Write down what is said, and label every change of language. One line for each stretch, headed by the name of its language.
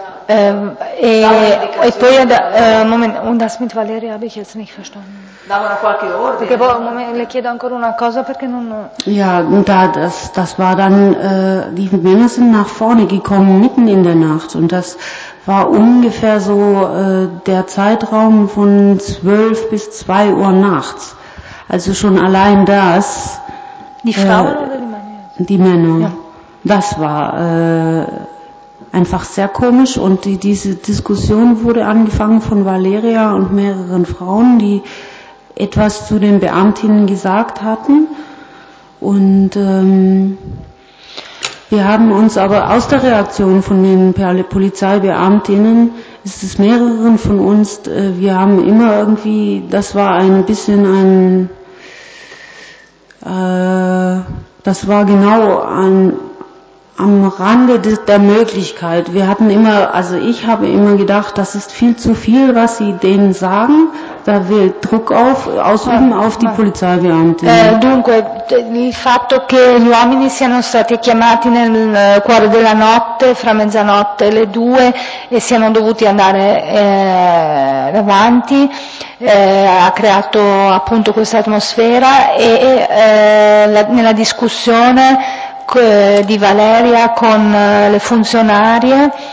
Italian: E poi un momento,
German: Valeria, habe ich jetzt nicht verstanden.
Italian: Perché poi le chiedo ancora una cosa perché non.
German: Ja, und da das war dann die Männer sind nach vorne gekommen mitten in der Nacht und das war ungefähr so der Zeitraum von 12 bis 2 Uhr nachts. Also schon allein das. Die Frauen oder die Männer? Die Männer. Ja. Das war einfach sehr komisch und diese Diskussion wurde angefangen von Valeria und mehreren Frauen, die etwas zu den Beamtinnen gesagt hatten. Und wir haben uns aber aus der Reaktion von den Polizeibeamtinnen, ist es mehreren von uns, wir haben immer irgendwie, das war ein bisschen ein, das war genau ein, am Rande der Möglichkeit. Wir hatten immer, also ich habe immer gedacht, das ist viel zu viel, was sie denen sagen. Da will Druck auf, ausüben auf die Polizeibeamten.
Italian: Dunque, il fatto che gli uomini siano stati chiamati nel cuore della notte, fra mezzanotte e le due, e siano dovuti andare davanti, ha creato appunto questa atmosfera e nella discussione di Valeria con le funzionarie